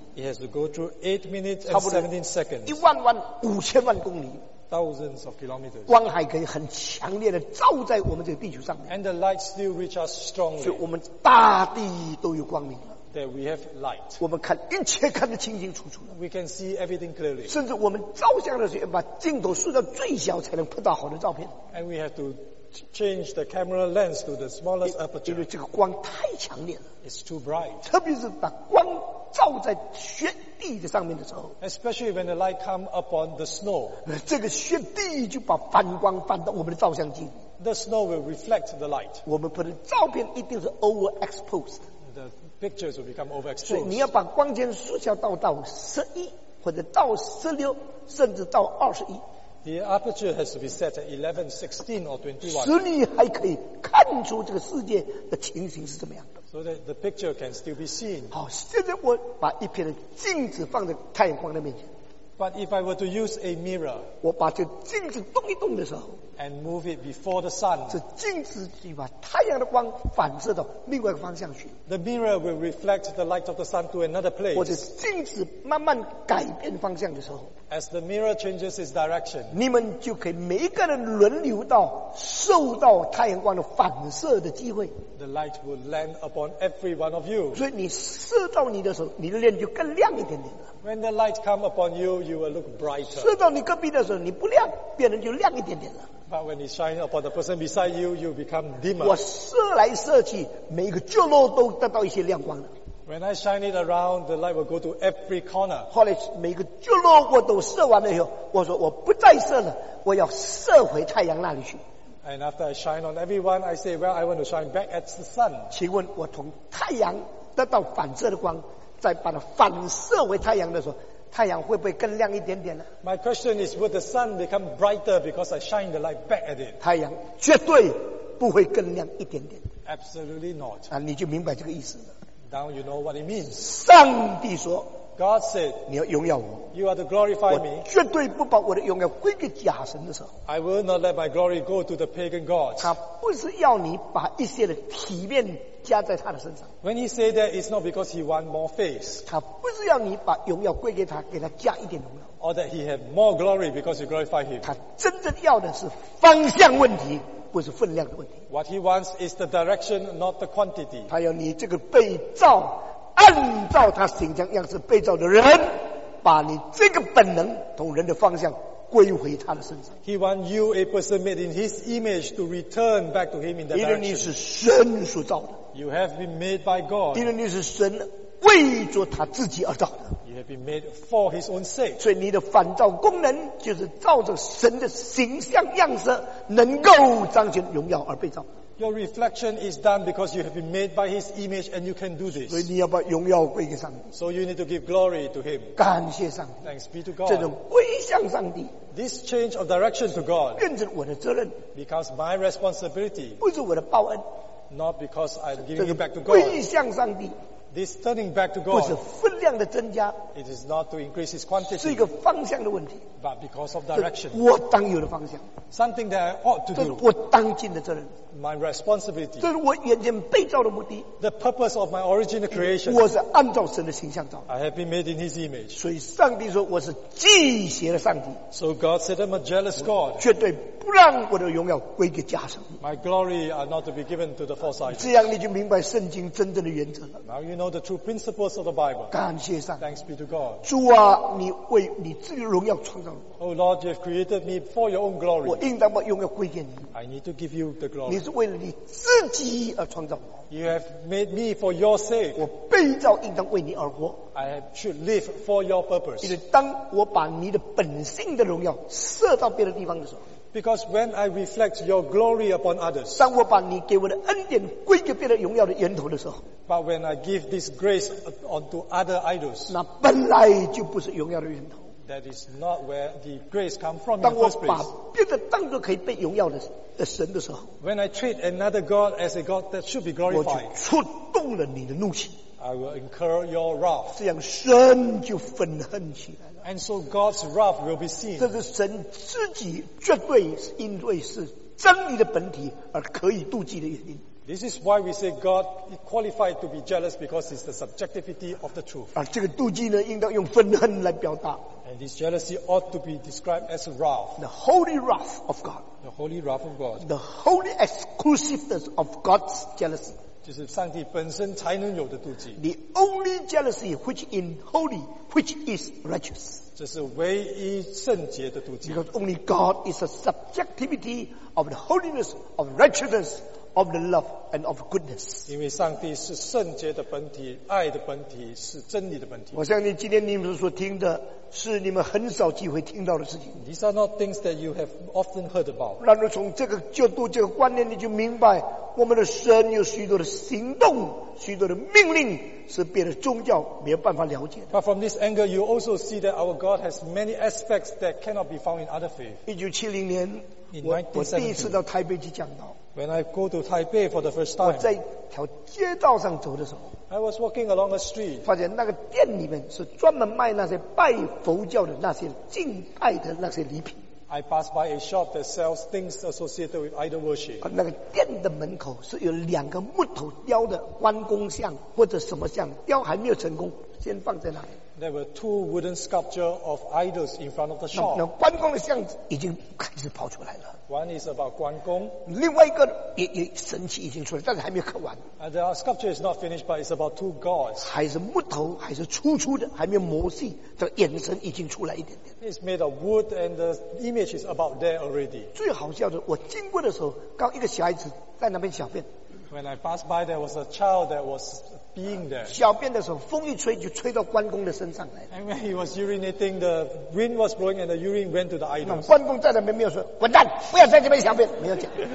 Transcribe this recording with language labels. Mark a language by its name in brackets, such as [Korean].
[English] It has to go through 8 minutes and 17 seconds. [Chinese] 一万万五千万公里。 [English] Thousands of kilometers. [Chinese] 光还可以很强烈的照在我们这个地球上面。 [English] And the light still reach us strongly. [Chinese] 所以我们大地都有光明了。 [English] That we have light. [Chinese] 我们看一切看得清清楚楚。 [English] We can see everything clearly. [Chinese] 甚至我们照相的时候，把镜头缩到最小，才能拍到好的照片。 [English] And we have to change the camera lens to the smallest aperture. [Chinese] 因为这个光太强烈了。 [English] It's too bright. [Chinese] 特别是把光照在雪地的上面的时候， [English] Especially when the light come upon the snow, [Chinese] 这个雪地就把反光反到我们的照相机。 [English] The snow will reflect the light. [Chinese] 我们拍的照片一定是 overexposed. [English] The pictures will become overexposed. [Chinese] 所以你要把光圈缩小到11或者到16甚至到21。 [English] The aperture has to be set at 11, 16 or 21. [Chinese] 使你还可以看出这个世界的情形是怎么样的。 [English] So that the picture can still be seen. [Chinese] 好，现在我把一片镜子放在太阳光的面前。 [English] But if I were to use a mirror, [Chinese] 我把这镜子动一动的时候， [English] and move it before the sun, [Chinese] 这镜子就把太阳的光反射到另外一个方向去。 [English] The mirror will reflect the light of the sun to another place. [Chinese] 或者镜子慢慢改变方向的时候， [English] as the mirror changes its direction, [Chinese] 你们就可以每一个人轮流到受到太阳光的反射的机会。 [English] The light will land upon every one of you. [Chinese] 所以你射到你的时候，你的脸就更亮一点点了。 [English] When the light come upon you, you will look brighter. [Chinese] 射到你隔壁的时候，你不亮，别人就亮一点点了。 [English] But when it shines upon the person beside you, you become dimmer. [Chinese] 我射来射去，每一个角落都得到一些亮光了。 [English] When I shine it around, the light will go to every corner. [Chinese] 后来每个角落我都射完了以后，我说我不再射了，我要射回太阳那里去。 [English] And after I shine on everyone, I say, well, I want to shine back at the sun. [Chinese] 请问我从太阳得到反射的光，再把它反射回太阳的时候，太阳会不会更亮一点点呢？ [English] My question is, would the sun become brighter because I shine the light back at it? [Chinese] 太阳绝对不会更亮一点点。 [English] Absolutely not. [Chinese] 啊，你就明白这个意思了。 [English] Now you know what it means. [Chinese] 上帝说， [English] God said, [Chinese] 你要荣耀我。 [English] You are to glorify me. [Chinese] 我绝对不把我的荣耀归给假神的时候， [English] I will not let my glory go to the pagan gods. [Chinese] 他不是要你把一些的体面加在他的身上。 [English] When he said that, it's not because he want more face. [Chinese] 他不是要你把荣耀归给他，给他加一点荣耀。 [English] Or that he had more glory because you glorify him. [Chinese] 他真正要的是方向问题，不是分量的问题。 [English] What he wants is the direction, not the quantity. [Chinese] 他要你这个被造，按照他形象样式被造的人，把你这个本能同人的方向归回他的身上。 [English] He wants you, a person made in his image, to return back to him in that [Chinese] direction. 因为你是神所造的。 [English] You have been made by God. [Chinese] 因为你是神为着他自己而造的。 [English] You have been made for his own sake. [Chinese] 所以你的反照功能就是照着神的形象样式，能够彰显荣耀而被造。 [English] Your reflection is done because you have been made by His image and you can do this. [Chinese] 所以你要把荣耀归给上帝。 [English] So you need to give glory to Him. [Chinese] 感谢上帝。 [English] Thanks be to God. [Chinese] 这种归向上帝。 [English] This change of direction to God. [Chinese] 变成我的责任。 [English] Becomes my responsibility. [Chinese] 不是我的报恩。 [English] Not because I'm giving it back to God. [Chinese] 归向上帝。 [English] This turning back to God. [Chinese] 不是分量的增加。 [English] It is not to increase His quantity. [Chinese] 是一个方向的问题。 [English] But because of direction. [Chinese] 我当有的方向。 [English] Something that I ought to do. [Chinese] 我当尽的责任。 [English] My responsibility. [Chinese] 这是我原先被造的目的。 [English] The purpose of my original creation. [Chinese] 我是按照神的形象造。 [English] I have been made in His image. [Chinese] 所以上帝说我是忌邪的上帝。 [English] So God said I'm a jealous God. [Chinese] 绝对不让我的荣耀归给假神。 [English] My glory are not to be given to the false idols. [Chinese] 这样你就明白圣经真正的原则了。 [English] Now you know the true principles of the Bible. [Chinese] 感谢上帝。 [English] Thanks be to God. [Chinese] 主啊，你为你自己的荣耀创造。 [English] Oh Lord, you have created me for your own glory. [Chinese] 我应当把荣耀归给你。 [English] I need to give you the glory. [Chinese] 你是为了你自己而创造我。 [English] You have made me for your sake. [Chinese] 我被造应当为你而活。 [English] I should live for your purpose. [Chinese] 因为当我把你的本性的荣耀射到别的地方的时候。 [English] Because when I reflect your glory upon others. [Chinese] 当我把你给我的恩典归给别的荣耀的源头的时候。 [English] But when I give this grace unto other idols. [Chinese] 那本来就不是荣耀的源头。 [English] That is not where the grace comes from in the first place. [Chinese] 当我把别的当作可以被荣耀的神的时候 [English] ，When I treat another God as a God that should be glorified, [Chinese] 我就触动了你的怒气。 [English] I will incur your wrath. [Chinese] 这样神就愤恨起来了。 [English] And so God's wrath will be seen. [Chinese] 这是神自己绝对因为是真理的本体而可以妒忌的原因。 [English] This is why we say God is qualified to be jealous because it's the subjectivity of the truth. [Chinese] 而这个妒忌呢，应当用愤恨来表达。 [English] And this jealousy ought to be described as wrath. The holy wrath of God. The holy wrath of God. The holy exclusiveness of God's jealousy. [Chinese] 就是上帝本身才能有的妒忌。 [English] The only jealousy which is holy, which is righteous. [Chinese] 这是唯一圣洁的妒忌。 [English] Because only God is the subjectivity of the holiness, of righteousness, of the love, and of goodness. [Chinese] 因为上帝是圣洁的本体，爱的本体，是真理的本体。我相信今天你们所听的是你们很少机会听到的事情。 [English] These are not things that you have often heard about. [Chinese] 然而从这个角度、这个观念，你就明白我们的神有许多的行动、许多的命令，是别的宗教没有办法了解的。 [English] But from this angle, you also see that our God has many aspects that cannot be found in other faith. [Chinese] 1970年 [English] 1970, [Chinese] 我第一次到台北去讲道。 [English] When I go to Taipei for the first time, [Chinese] 我在条街道上走的时候。 [English] I was walking along the street. [Chinese] 发现那个店里面是专门卖那些拜佛教的那些敬拜的那些礼品。 [English] I passed by a shop that sells things associated with idol worship. [Chinese] 那个店的门口是有两个木头雕的关公像或者什么像，雕还没有成功，先放在那里。 [English] There were two wooden sculptures of idols in front of the shop. [Chinese] 那关公的像已经开始跑出来了。 [English] One is about 关公， [Chinese] 另外一个也神器已经出来，但是还没有刻完。 [English] The sculpture is not finished, but it's about two gods. [Chinese] 还是木头，还是粗粗的，还没有磨细，这个眼神已经出来一点点。 [English] It's made of wood, and the image is about there already. [Chinese] 最好笑的，我经过的时候，刚一个小孩子在那边小便。 [English] When I passed by, there was a child that was being there. [Chinese] 小便的时候，风一吹就吹到关公的身上来了。 [English] And when he was urinating, the wind was blowing and the urine went to the idols. [Chinese] 那关公在那边没有说滚蛋，不要在这边小便，没有讲。